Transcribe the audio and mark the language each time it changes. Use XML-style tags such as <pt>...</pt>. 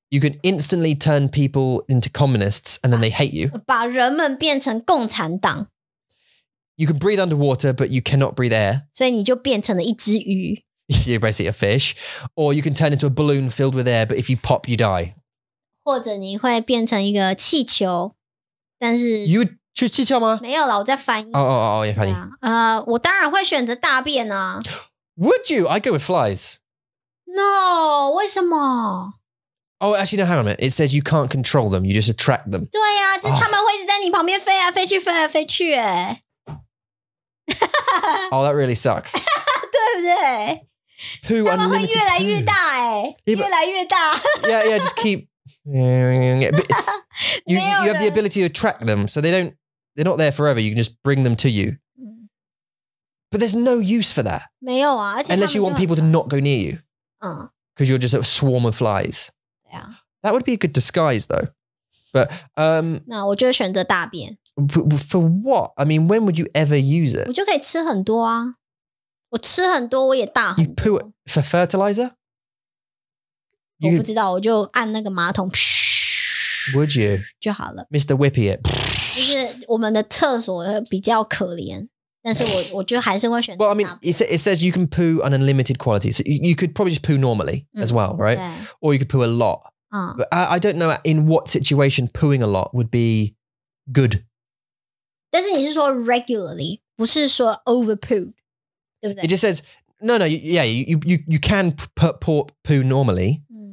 <en>You can instantly turn people into communists and then they hate you.</en> <zh>把人们变成共产党。</zh> <en>You can breathe underwater, but you cannot breathe air.</en> <zh>所以你就变成了一只鱼。</zh> <en>You're basically a fish. Or you can turn into a balloon filled with air, but if you pop, you die.</en> <zh>或者你会变成一个气球。但是</zh> <en>You</en> <zh>去气球吗？没有啦，我在翻译。哦哦哦，也翻译。我当然会选择大便啊。</zh> <en>Would you? I go with flies.</en> <zh>No, 为什么?</zh> <en>Oh, actually, no, hang on a minute. It says you can't control them. You just attract them.</en> <zh>对啊,就是他们会一直在你旁边飞啊,飞去,飞啊,飞去耶。</zh> <en>Oh, that really sucks.</en> <zh>对不对?</zh> <en>Poo unlimited poo.</en> <zh>他们会越来越大耶,越来越大。</zh> <en>Yeah, yeah, just keep... you have the ability to attract them, so they're not there forever. You can just bring them to you. But there's no use for that.</en> <zh>没有啊,</zh> <en>unless you want people to not go near you. Because you're just a swarm of flies. Yeah. That would be a good disguise, though. But,</en> <zh>那我就选择大便。</zh> <en>For what? I mean, when would you ever use it?</en> <zh>我就可以吃很多啊。我吃很多,我也大很多。</zh> <en>You poo it for fertilizer?</en> <zh>我不知道,我就按那个马桶。</zh> <en>Would you?</en> <zh>就好了。</zh> <en>Mr. Whippy it.</en> <zh>就是我们的厕所比较可怜。但是我就还是会选择大便。</zh> <en>Well, I mean, it says you can poo an unlimited quality. So you could probably just poo normally as well, right? Or you could poo a lot. But I don't know in what situation pooing a lot would be good.</en> <zh>但是你是说</zh> <en>regularly,</en> <zh>不是说</zh> <en>over pooed,</en> <zh>对不对?</zh> <en>It just says, no, yeah, you can poo normally.</en>